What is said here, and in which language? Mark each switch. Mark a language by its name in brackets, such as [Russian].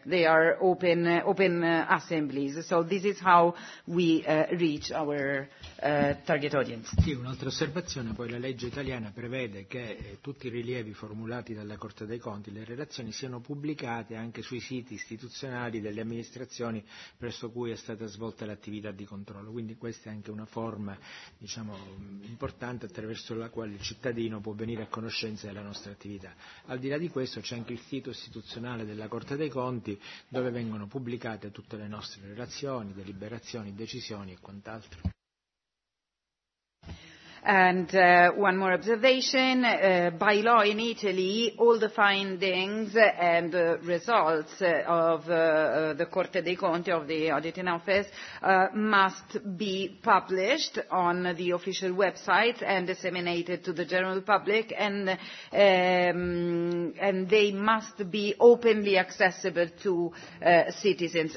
[English] They are open assemblies. So this is how we reach our target audience. [Italian] Sì, un'altra osservazione, poi la legge italiana prevede che tutti i rilievi formulati dalla Corte dei Conti, le relazioni siano pubblicate anche sui siti istituzionali delle amministrazioni presso cui è stata svolta l'attività di controllo. Quindi questa è anche una forma, diciamo, importante attraverso la quale il cittadino può venire a conoscenza della nostra attività. Al di là di questo c'è anche il sito istituzionale della Corte dei Conti dove vengono pubblicate tutte le nostre relazioni, deliberazioni, decisioni e quant'altro. [English] And one more observation. By law in Italy, all the findings and results of the Corte dei Conti, of the auditing office, must be published on the official website and disseminated to the general public, and they must be openly accessible to citizens.